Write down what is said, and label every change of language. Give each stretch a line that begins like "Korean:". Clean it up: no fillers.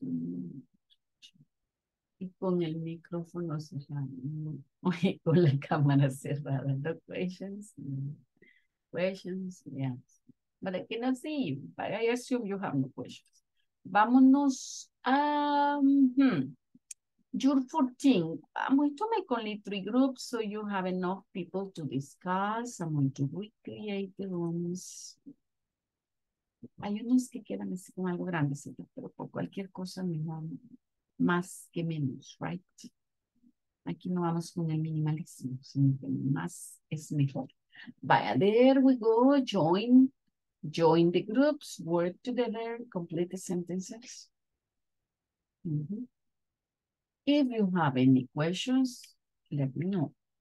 Spanish: Y con el micrófono cerrado, con la cámara cerrada.
English: No questions. Questions, yes. But I cannot see you, but I assume you have no questions.
Spanish: Vámonos a
English: your 14. I'm going to make only 3 groups so you have enough people to discuss. I'm going to recreate the rooms.
Spanish: Hay unos que quedan así con algo grande, pero por cualquier cosa mejor. Más que menos, right? Aquí no vamos con el minimalismo, sino que más es mejor.
English: Vaya, there we go. Join the groups, work together, complete the sentences. If you have any questions, let me know.